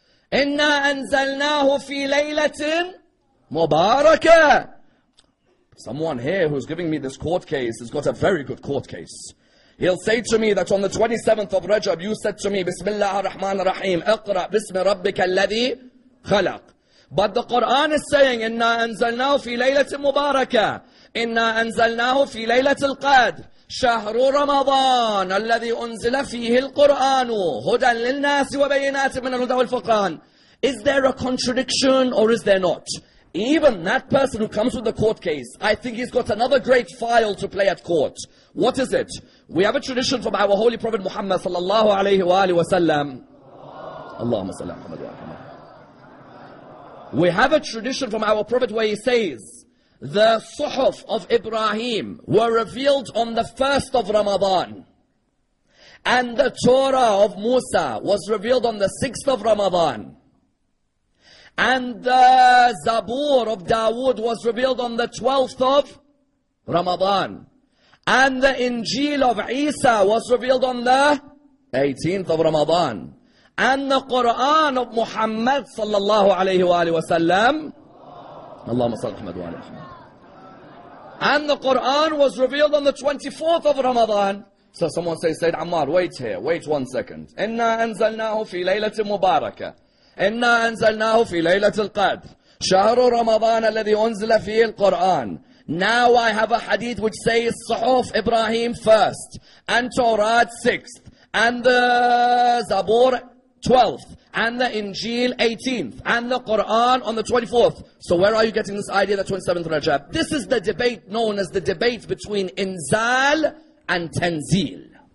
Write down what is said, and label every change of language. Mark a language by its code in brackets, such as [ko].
[ar] Inna anzalnahu fi laylatin Mubaraka. [en] Someone here who's giving me this court case has got a very good court case. He'll say to me that on the 27th of Rajab, you said to me, Bismillah ar-Rahman ar-Rahim, [ar] اقرأ بسم ربك الذي خلق. [en] But the Quran is saying, [ar] إِنَّا أَنزَلْنَاهُ فِي لَيْلَةٍ مُبَارَكَةٍ إِنَّا أَنزَلْنَاهُ فِي لَيْلَةِ الْقَدْرِ شَهْرُ رَمَضَانَ الَّذِي أُنزِلَ فِيهِ الْقُرْآنُ هُدًى لِلنَّاسِ وَبَيِّنَاتٍ مِنَ الْهُدَى وَالْفُرْقَانِ. [en] Is there a contradiction or is there not? Even that person who comes with the court case, I think he's got another great file to play at court. What is it? We have a tradition from our Holy Prophet Muhammad sallallahu alayhi wa alayhi wa sallam. [ar] Allahumma salli ala Muhammad. [en] We have a tradition from our Prophet where he says, the suhuf of Ibrahim were revealed on the first of Ramadan. And the Torah of Musa was revealed on the sixth of Ramadan. And the Zabur of Dawood was revealed on the 12th of Ramadan. And the Injil of Isa was revealed on the 18th of Ramadan. And the Quran of Muhammad sallallahu alayhi wa alayhi wa sallam. Allahumma salli Muhammad wa alayhi wa sallam. And the Quran was revealed on the 24th of Ramadan. So someone says, Sayyid Ammar, wait here, wait one second. [ar] Inna anzalnahu fi laylatin mubarakah. إنا أنزلناه في ليلة القدر شهر رمضان الذي أنزل فيه القرآن. [en] Now I have a hadith which says صحف إبراهيم first and Torah 6th and the Zabur 12th and the Injil 18th and the Quran on the 24th. So where are you getting this idea that 27th Rajab? This is the debate known as the debate between Inzal and Tanzil.